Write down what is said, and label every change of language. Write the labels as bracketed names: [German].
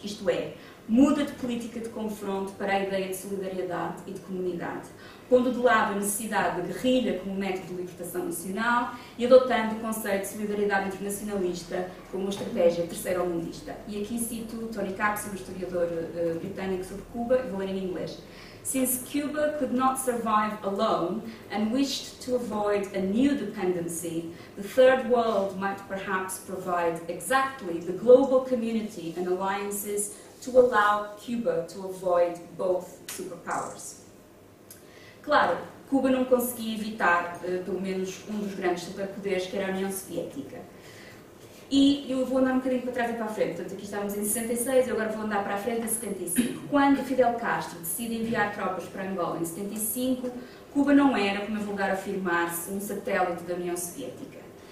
[Portuguese] Isto é, muda de política de confronto para a ideia de solidariedade e de comunidade, pondo de lado a necessidade de guerrilha como método de libertação nacional e adotando o conceito de solidariedade internacionalista como uma estratégia terceiro-mundista. E aqui cito Tony Capps, um historiador britânico sobre Cuba, vou ler em inglês. [English] Since Cuba could not survive alone and wished to avoid a new dependency, the third world might perhaps provide exactly the global community and alliances to allow Cuba to avoid both superpowers. [Portuguese] Claro, Cuba não conseguia evitar, pelo menos, um dos grandes superpoderes, que era a União Soviética. E eu vou andar um bocadinho para trás e para a frente, portanto, aqui estamos em 66, e agora vou andar para a frente em 75. Quando Fidel Castro decide enviar tropas para Angola em 75, Cuba não era, como é vulgar afirmar-se, um satélite da União Soviética.